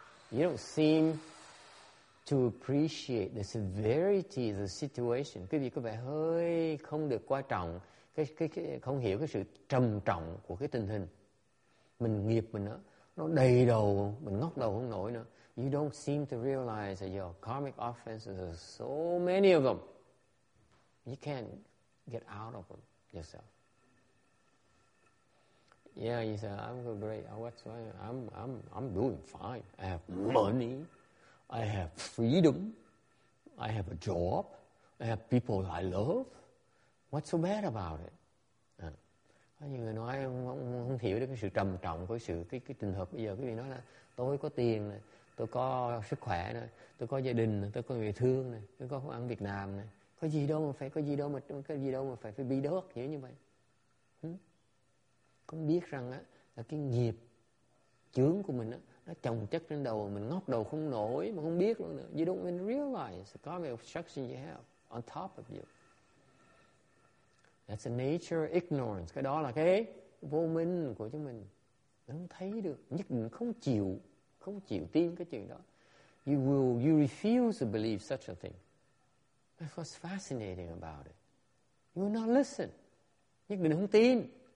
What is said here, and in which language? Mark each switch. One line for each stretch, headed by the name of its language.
English: You don't seem to appreciate the severity of the situation.
Vietnamese: Quý vị có vẻ hơi không được quan trọng, không hiểu cái sự trầm trọng của cái tình hình. Mình nghiệp mình đó, nó đầy đầu, mình ngóc đầu không nổi nữa.
English: You don't seem to realize that your karmic offenses are so many of them. You can't get out of them yourself. Yeah, you say, I'm great. I'm doing fine. I have money. I have freedom. I have a job. I have people I love. What's so bad about it?
Vietnamese: Có nhiều người nói không hiểu được cái sự trầm trọng của cái trường hợp bây giờ. Quý vị nói là tôi có tiền này, tôi có sức khỏe này, tôi có gia đình này, tôi có người thương này, tôi có công ăn việc làm này. Có gì đâu mà phải bị đớt như vậy. Cũng biết rằng á, là cái nghiệp chướng của mình á, nó chồng chất trên đầu mình, ngóc đầu không nổi mà không biết luôn nữa.
English: You don't even realize the karmic obstruction you have on top of you. That's the nature of ignorance.
Vietnamese: Cái đó là cái vô minh của chúng mình. Không thấy được, nhất định không chịu tin cái chuyện đó.
English: You refuse to believe such a thing. That's what's fascinating about it. You will not listen.
Vietnamese: Nhất định không tin.